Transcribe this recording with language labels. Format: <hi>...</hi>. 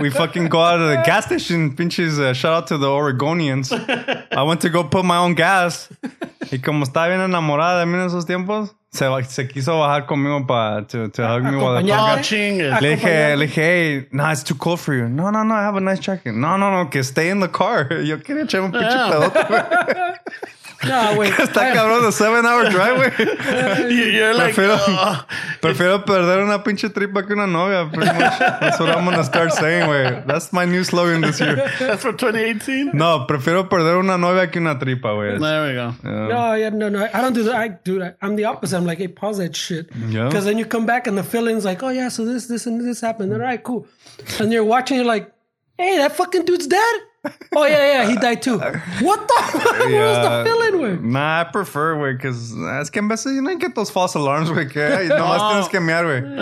<en>We fucking go out of the gas station,</en> <es>pinches,</es> <en>shout out to the Oregonians. I went to go put my own gas.</en> <es>Y como estaba bien enamorada de mí en esos tiempos, se quiso bajar conmigo</es> <en>to hug me while I'm watching. Le dije, hey, nah, it's too cold for you.</en> <es>No,</es> <en>I have a nice jacket.</en> <es>No, que</es> <en>stay in the car.</en> <es>Yo quería echarme un pinche pedote. No, güey. Está cabrón,</es> <en>the 7-hour drive,</en> <es>güey.</es> <en>You're like,</en> <es>prefiero, oh. Prefiero perder una pinche tripa que una novia,</es> <en>pretty much. That's what I'm gonna start saying,</en> <es>güey.</es> <en>That's my new slogan this year. That's for 2018?</en> <es>No, prefiero perder una novia que una tripa, güey.</es> <en>There we go. Yeah. No, yeah, no. I don't do that. I'm the opposite. I'm like, hey, pause that shit. Yeah. Because then you come back and the feeling's like, oh, yeah, so this, and this happened. All right, cool. And you're watching, you're like, hey, that fucking dude's dead. Oh, yeah, yeah, he died too. What the fuck? Yeah. What was the feeling with? Nah, I prefer, güey, because</en> <es>es que en veces</es> <en>you don't get those false alarms, güey,</en> <es>que no más tienes que mirar, güey.</es>